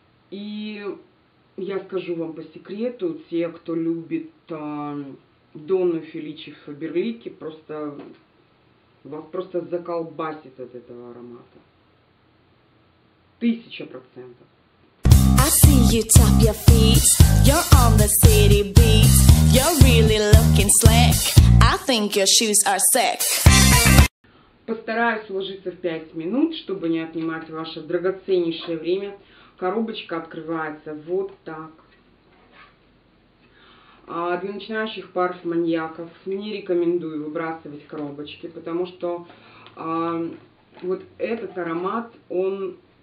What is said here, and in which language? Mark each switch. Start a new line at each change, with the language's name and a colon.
Russian: И я скажу вам по секрету, те, кто любит Донну Феличи Фаберлики, просто вас просто заколбасит от этого аромата. 1000%.
English: I see you tap your feet, you're on the city beat, you're really looking slick, I think your shoes are sick.
Russian: Постараюсь уложиться в 5 минут, чтобы не отнимать ваше драгоценнейшее время. Коробочка открывается вот так. А для начинающих парфюм-маньяков не рекомендую выбрасывать коробочки, потому что вот этот аромат, он...